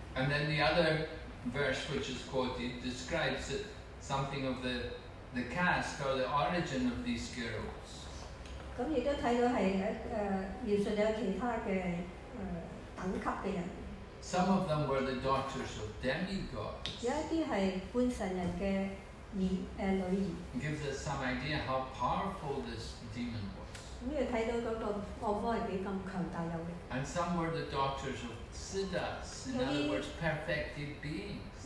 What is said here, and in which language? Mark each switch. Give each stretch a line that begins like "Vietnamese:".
English: And then the other verse which is quoted describes it, something of the caste or the origin of these girls.
Cantonese: 咁亦都睇到係描述有其他嘅等級嘅人。
English: Some of them were the daughters of demigods. It gives us some idea how powerful this demon was. And some were the daughters of siddhas, in other words, perfected beings.